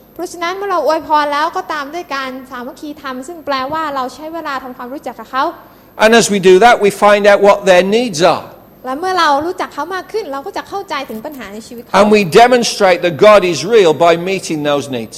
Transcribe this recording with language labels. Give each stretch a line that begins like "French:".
Thai: เพราะฉะนั้นเมื่อเราอวยพรแล้วก็ตามด้วยการสามัคคีธรรมซึ่งแปลว่าเราใช้เวลาทำความรู้จักกับเขา
English: And as we do that, we find out what their needs are.
Thai: และเมื่อเรารู้จักเขามากขึ้นเราก็จะเข้าใจถึงปัญหาในชีวิตเขา
English: And we demonstrate that God is real by meeting those needs.